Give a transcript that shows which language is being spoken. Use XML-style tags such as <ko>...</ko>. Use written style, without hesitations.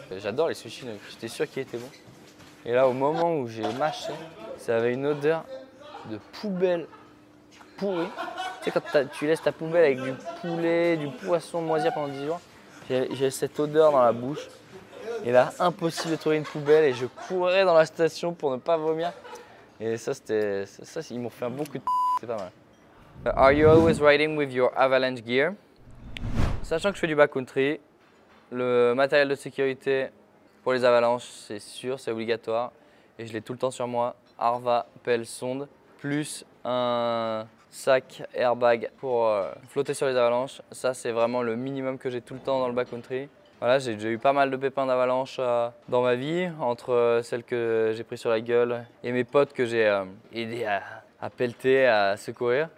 <fr>J'adore les sushis, donc j'étais sûr qu'il était bon. Et là, au moment où j'ai mâché, ça avait une odeur de poubelle pourrie. Tu sais, quand tu laisses ta poubelle avec du poulet, du poisson moisir pendant 10 jours, j'ai cette odeur dans la bouche. Et là, impossible de trouver une poubelle et je courais dans la station pour ne pas vomir. Et ça, ils m'ont fait un bon coup de c'est pas mal.</fr> <en>Are you always riding with your avalanche gear?</en> <fr>Sachant que je fais du backcountry, le matériel de sécurité pour les avalanches, c'est sûr, c'est obligatoire. Et je l'ai tout le temps sur moi. Arva, pelle, sonde, plus un sac airbag pour flotter sur les avalanches. Ça, c'est vraiment le minimum que j'ai tout le temps dans le backcountry. Voilà, j'ai déjà eu pas mal de pépins d'avalanche dans ma vie, entre celles que j'ai pris sur la gueule et mes potes que j'ai aidé à pelleter, à secourir.</fr>